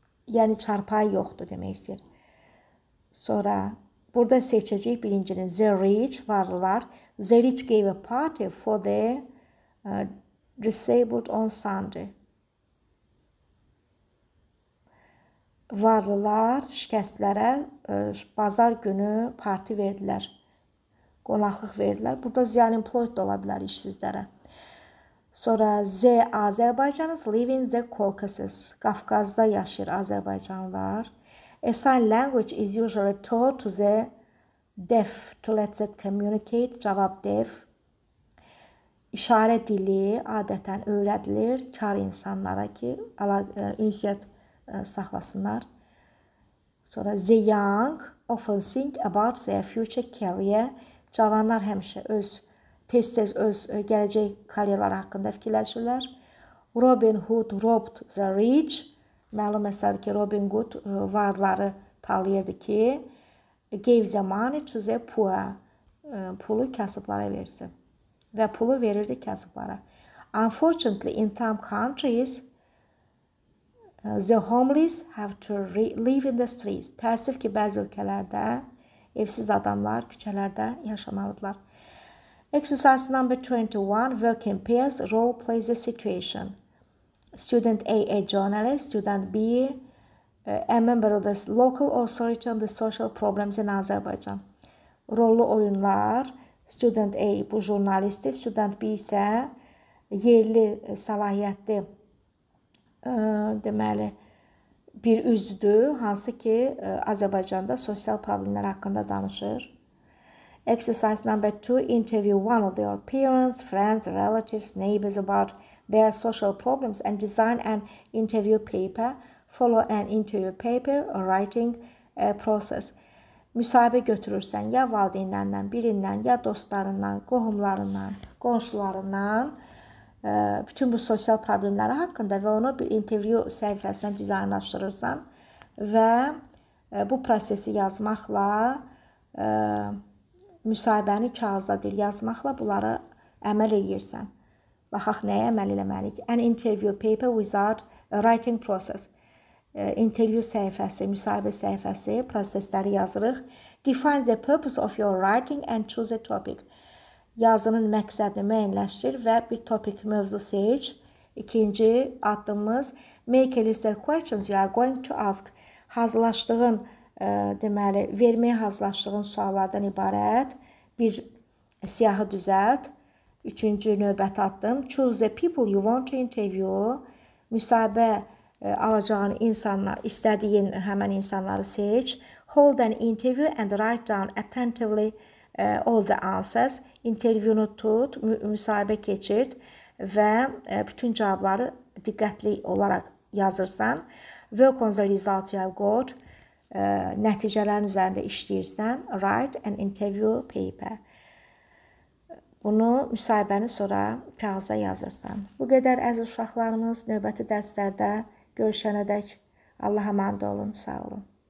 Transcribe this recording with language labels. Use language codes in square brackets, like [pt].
[az] Yəni, çarpayı yoxdur demək istəyir. Sonra, burada seçəcək birincinin the rich varlılar. [en] The rich gave a party for the disabled on Sunday. [az] Varlılar şikəstlərə bazar günü parti verdilər. Qonaqlıq verdilər. Burada the unemployed da ola bilər işsizlərə. [en] Sonra the Azerbaijanis live in the Caucasus. [az] Qafqazda yaşayır Azerbaycanlılar. [en] A sign language is usually taught to the deaf to let them communicate. [az] Cavab deaf. İşarə dili adətən öyrədilir kar insanlara ki, ünsiyyət saxlasınlar. [en] Sonra the young often think about their future career. [az] Cavanlar həmişə tez-tez öz gələcək kariyerləri haqqında fikirləşirlər. [en] Robin Hood robbed the rich. [az] Məlum məsələdir ki, Robin Hood varları talayırdı ki, [en] gave the money to the poor. [az] Pulu kasıblara verdi. Və pulu verirdi kasıblara. [en] Unfortunately, in some countries, the homeless have to live in the streets. [az] Təəssüf ki, bəzi ölkələrdə evsiz adamlar küçələrdə yaşamalıdırlar. [en] Exercise number 21. Work in pairs. Role play the situation. Student A, a journalist. Student B, a member of the local authority on the social problems in Azerbaijan. [az] Rollu oyunlar. Student A, bu jurnalisti. Student B isə yerli, salahiyyətli, deməli, bir üzdü, hansı ki Azərbaycanda sosial problemler hakkında danışır. [en] Exercise number two, interview one of your parents, friends, relatives, neighbors about their social problems and design an interview paper. Follow an interview paper, writing process. [az] Müsahibə götürürsən ya valideynlərindən, birindən, ya dostlarından, qohumlarından, qonşularından bütün bu sosial problemləri haqqında və onu bir interview səhifəsində dizaynlaşdırırsan və bu prosesi yazmaqla müsahibəni kağıza bir yazmaqla bunları əməl edirsən. Baxaq, nəyə əməl eləməliyik? [en] An interview paper without writing process. [az] Interview səhifəsi, müsahibə səhifəsi, prosesləri yazırıq. [en] Define the purpose of your writing and choose a topic. [az] Yazının məqsədini müəyyənləşdir və bir topik mövzu seç. İkinci addımımız, [en] make a list of questions you are going to ask. [az] Hazırlaşdığın, deməli, verməyə hazırlaşdığın suallardan ibarət bir siyahı düzəlt. Üçüncü növbət addım, [en] choose the people you want to interview. [az] Müsahibə alacağın insanlar, istədiyin həmən insanları seç. [en] Hold an interview and write down attentively all the answers. [az] İnterviyunu tut, müsahibə keçirt və bütün cavabları diqqətli olaraq yazırsan. [en] Work on the result you have got. [az] Nəticələrin üzərində işləyirsən. [en] Write an interview paper. [az] Bunu müsahibəni sonra kağıza yazırsan. Bu qədər əziz uşaqlarımız, növbəti dərslərdə görüşənədək Allah'a emanet olun, sağ olun.